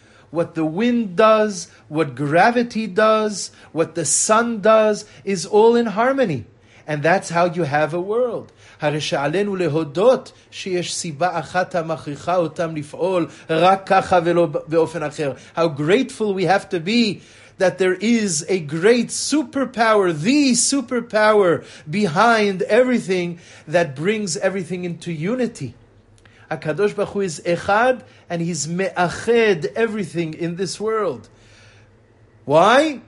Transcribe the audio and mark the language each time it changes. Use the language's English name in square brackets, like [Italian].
[English] What the wind does, what gravity does, what the sun does is all in harmony. And that's how you have a world. [Hebrew] הרי שעלינו להודות שיש סיבה אחת המכריחה אותם לפעול רק ככה ולא באופן אחר. [English] How grateful we have to be that there is a great superpower, the superpower behind everything that brings everything into unity. הקדוש ברוך הוא is אחד and he's מאחד everything in this world. Why?